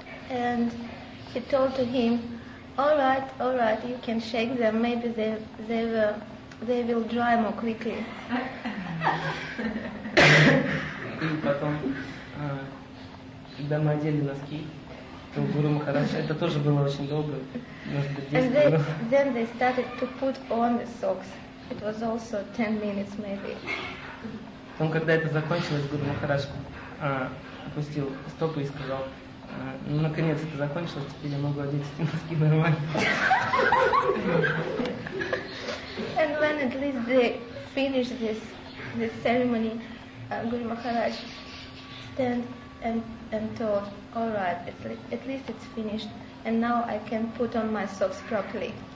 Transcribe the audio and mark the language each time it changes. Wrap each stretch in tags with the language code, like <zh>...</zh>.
<en>And he told to him, all right, you can shake them, maybe they will dry more quickly.</en> <ru>И потом, когда мы одели носки, то Гуру Махарадж, это тоже было очень долго, может быть, 10 минут.</ru> <en>And then they started to put on the socks. It was also 10 minutes, maybe.</en> <ru>Потом, когда это закончилось, Гуру Махарадж опустил стопы и сказал, наконец это закончилось, теперь я могу одеть эти носки нормально.</ru> <en>And when at least they finished this ceremony, Guru Maharaj stand and thought, all right, at least it's finished, and now I can put on my socks properly.</en>